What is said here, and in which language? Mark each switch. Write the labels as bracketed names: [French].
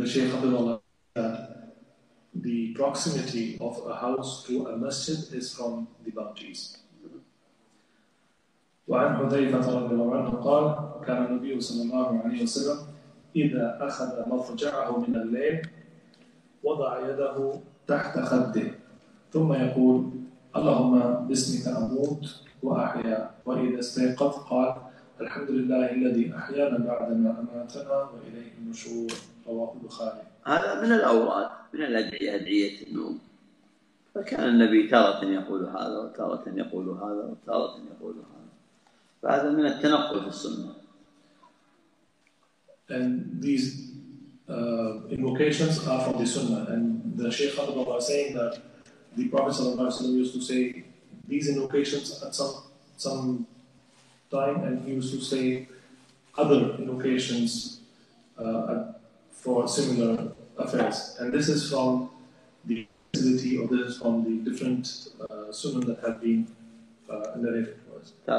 [English] the Shaykh Abdullah that the proximity of a house to a masjid is from the bounties. [Arabic] وعن حذيفة رضي الله عنه قال كان النبي صلى الله عليه وسلم إذا أخذ مضجعه من الليل وضع يده تحت خده ثم يقول اللهم باسمك أموت وأحيا وإذا استيقظ قال الحمد لله الذي أحيانا بعدما أماتنا وإليه النشور. رواه البخاري. هذا من الأوراد من الأدعية أدعية النوم. فكان النبي تارة يقول هذا وتارة يقول هذا وتارة يقول هذا. فهذا من التنقل في السنة. [English] And these invocations are from the Sunnah. And the Shaykh Abdullah was saying that the Prophet صلى الله عليه وسلم used to say these invocations at some time, and he used to say other invocations for similar affairs, and this is from the facility or this is from the different sunnah that have been narrated for us.